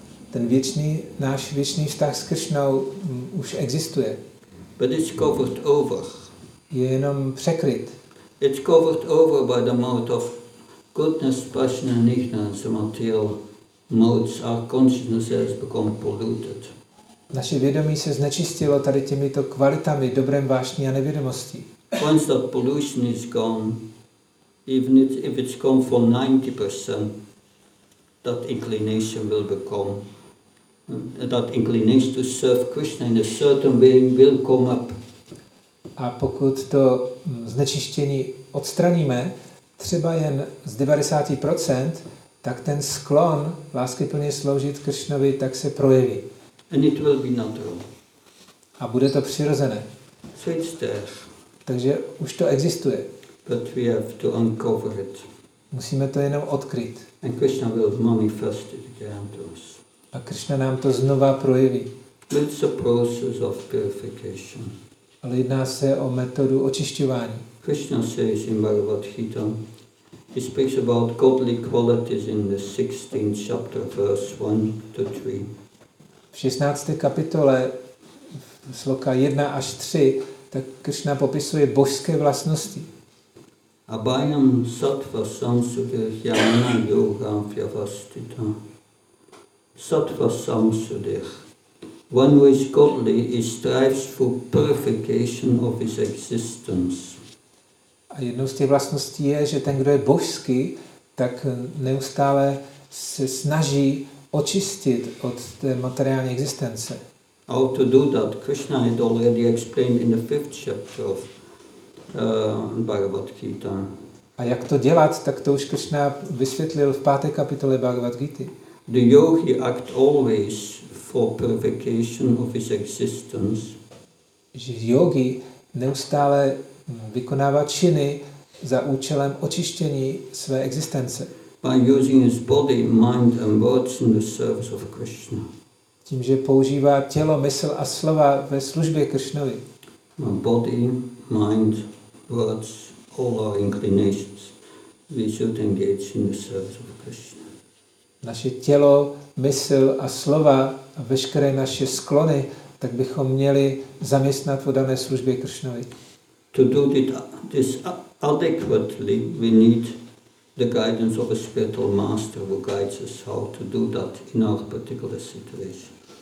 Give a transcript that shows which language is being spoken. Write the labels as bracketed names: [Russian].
[Czech] Ten věčný, náš věčný vztah s Krishnou už existuje. [English] But it's covered over. [Czech] Je jenom překryt. [English] It's covered over by the mode of goodness, passion and ignorance, the material modes. Our consciousness has become polluted. [Czech] Naše vědomí se znečistilo tady těmito kvalitami, dobrem, vášní a nevědomosti. [English] Once that pollution is gone, even if it's gone for 90%, that inclination to serve Krishna in a certain way will come up. [Czech] A pokud to znečištění odstraníme, třeba jen z 90%, tak ten sklon láskyplně sloužit Krishnovi tak se projeví. [English] And it will be natural. [Czech] A bude to přirozené. [English] So it's there. [Czech] Takže už to existuje. [English] But we have to uncover it. [Czech] Musíme to jenom odkryt. [English] And Krishna will manifest it again to us. [Czech] A Krishna nám to znova projeví. [English] It's a process of purification. [Czech] Ale jedná se o metodu očišťování. [English] Krishna says in Bhagavad Gita, he speaks about godly qualities in the 16th chapter, verse 1-3. [Czech] V 16. kapitole, sloka 1-3, tak Krishna popisuje božské vlastnosti. [Sanskrit] Abhayam sattva samsudhyana yogam vyavastita. Sattva samsudhyana. [English] One who is godly, he strives for purification of his existence. [Czech] A jednou z těch vlastností je, že ten, kdo je božský, tak neustále se snaží očistit od té materiální existence. [English] How to do that? Krishna had already explained in the 5th chapter of Bhagavad Gita. [Czech] A jak to dělat, tak to už Krishna vysvětlil v 5. kapitole Bhagavad Gita. [English] The yogi act always for purification of his existence. [Czech] Že yogi neustále vykonává činy za účelem očištění své existence. [English] By using his body, mind and words in the service of Krishna. [Czech] Tím, že používá tělo, mysl a slova ve službě Krishnovi. [English] My body, mind, words, all our inclinations, we should engage in the service of Krishna. [Czech] Naše tělo, mysl a slova a veškeré naše sklony, tak bychom měli zaměstnat v dané službě Krishnovi. [English] To do this adequately, we need the guidance of a spiritual master who guides us how to do that in our particular situation.